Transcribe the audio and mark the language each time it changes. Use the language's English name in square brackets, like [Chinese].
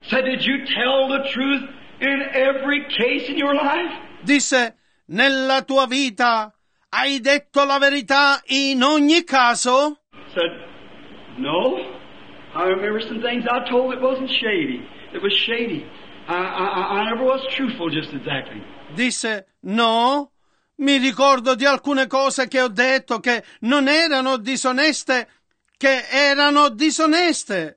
[English] Said, did you tell the truth in every case in your life? [Italian] Disse, nella tua vita hai detto la verità in ogni caso? [English] Said, no, I remember some things I told that wasn't shady. It was shady. I never was truthful just exactly. [Italian] Disse, no. Mi ricordo di alcune cose che ho detto che non erano disoneste, che erano disoneste.